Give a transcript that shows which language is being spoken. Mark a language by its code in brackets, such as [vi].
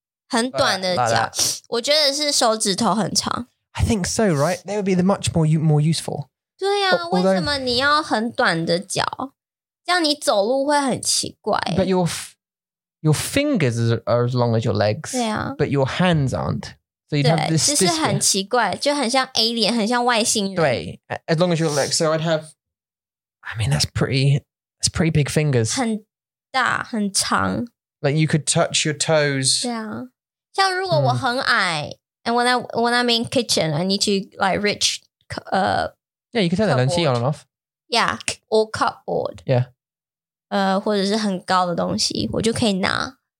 [zh] 很短的脚我觉得是手指头很长 [en] I think so, right? They would be the much more useful [zh] 对呀、啊、为什么你要很短的脚这样你走路会很奇怪 [en] But your fingers are as long as your legs [zh] 对呀、啊、 [en] But your hands aren't So you'd have this [zh] 就是很奇怪就很像 alien 很像外星人 [en] 对 As long as your legs So I'd have I mean that's pretty big fingers [zh] 很大很长 [en] Like you could touch your toes [zh] 对啊像如果我很矮、嗯、 [en] And when I'm in kitchen I need to like reach Yeah, you can turn the 冷气 on and off. Yeah, or cupboard. Yeah. [zh] 或者是很高的东西，我就可以拿。